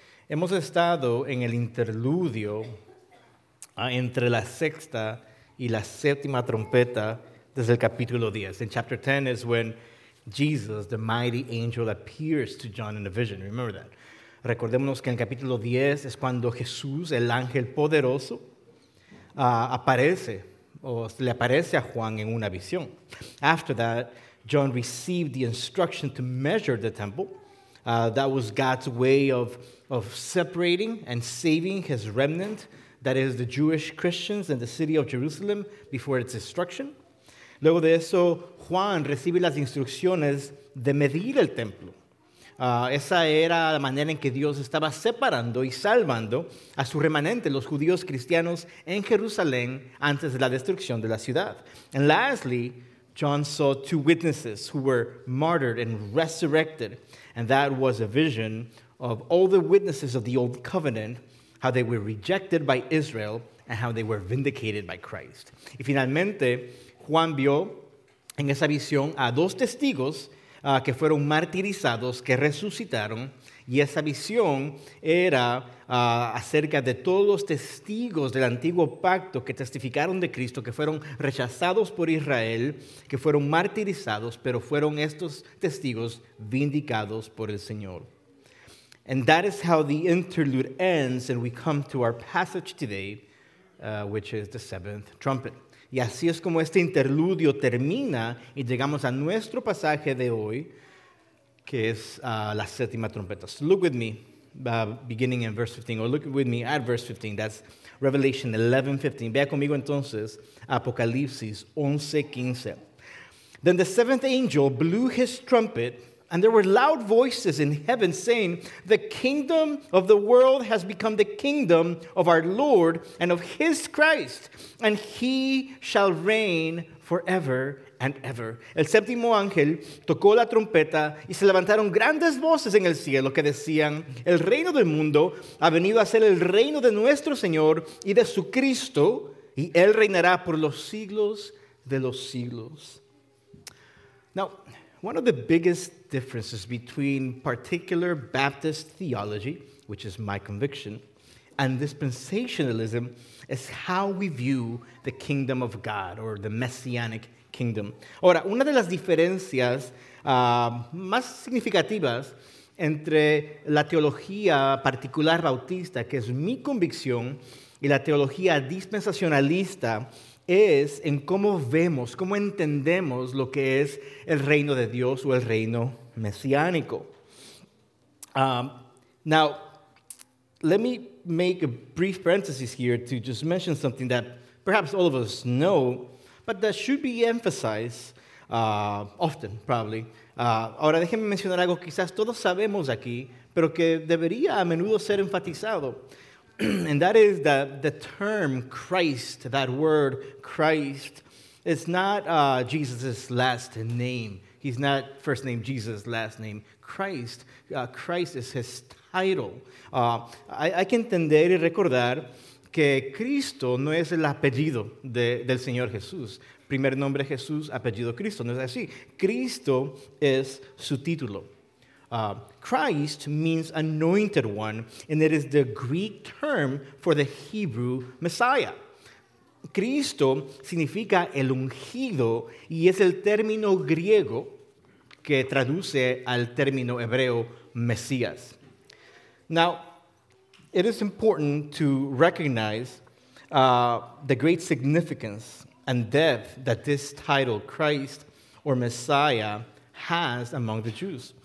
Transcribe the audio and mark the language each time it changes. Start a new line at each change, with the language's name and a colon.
Spanish: Hemos estado en el interludio entre la sexta y la séptima trompeta desde el capítulo 10.
English: In chapter 10 is when Jesus, the mighty angel, appears to John in a vision. Remember that.
Spanish: Recordémonos que en el capítulo 10 es cuando Jesús, el ángel poderoso, aparece o le aparece a Juan en una visión.
English: After that, John received the instruction to measure the temple. That was God's way of separating and saving his remnant, that is the Jewish Christians in the city of Jerusalem, before its destruction.
Spanish: Luego de eso, Juan recibe las instrucciones de medir el templo. Esa era la manera en que Dios estaba separando y salvando a su remanente, los judíos cristianos en Jerusalén, antes de la destrucción de la ciudad.
English: And lastly, John saw two witnesses who were martyred and resurrected. And that was a vision of all the witnesses of the old covenant, how they were rejected by Israel, and how they were vindicated by Christ.
Spanish: Y finalmente, Juan vio en esa visión a dos testigos que fueron martirizados, que resucitaron. Y esa visión era acerca de todos los testigos del antiguo pacto que testificaron de Cristo, que fueron rechazados por Israel, que fueron martirizados, pero fueron estos testigos vindicados por el Señor.
English: And that is how the interlude ends, and we come to our passage today, which is the seventh trumpet.
Spanish: Y así es como este interludio termina y llegamos a nuestro pasaje de hoy, que es la séptima trompeta.
English: So look with me, beginning in verse 15, or look with me at verse 15. That's Revelation 11, 15.
Spanish: Vea conmigo entonces Apocalipsis 11, 15.
English: Then the seventh angel blew his trumpet, and there were loud voices in heaven saying, the kingdom of the world has become the kingdom of our Lord and of his Christ, and he shall reign forever and ever.
Spanish: El séptimo ángel tocó la trompeta y se levantaron grandes voces en el cielo que decían, el reino del mundo ha venido a ser el reino de nuestro Señor y de su Cristo, y él reinará por los siglos de los siglos.
English: Now, one of the biggest differences between particular Baptist theology, which is my conviction, and dispensationalism is how we view the kingdom of God or the messianic kingdom.
Spanish: Ahora, una de las diferencias más significativas entre la teología particular bautista, que es mi convicción, y la teología dispensacionalista es en cómo vemos, cómo entendemos lo que es el reino de Dios o el reino mesiánico.
English: Now, let me make a brief parenthesis here to just mention something that perhaps all of us know, but that should be emphasized often, probably.
Spanish: Ahora déjenme mencionar algo que quizás todos sabemos aquí, pero que debería a menudo ser enfatizado.
English: And that is that the term Christ, that word Christ, is not Jesus' last name. He's not first name Jesus, last name Christ. Christ is his title.
Spanish: Hay que entender y recordar que Cristo no es el apellido del Señor Jesús. Primer nombre Jesús, apellido Cristo. No es así. Cristo es su título.
English: Christ means anointed one, and it is the Greek term for the Hebrew Messiah.
Spanish: Cristo significa el ungido, y es el término griego que traduce al término hebreo Mesías.
English: Now, it is important to recognize the great significance and depth that this title, Christ or Messiah, has among the Jews.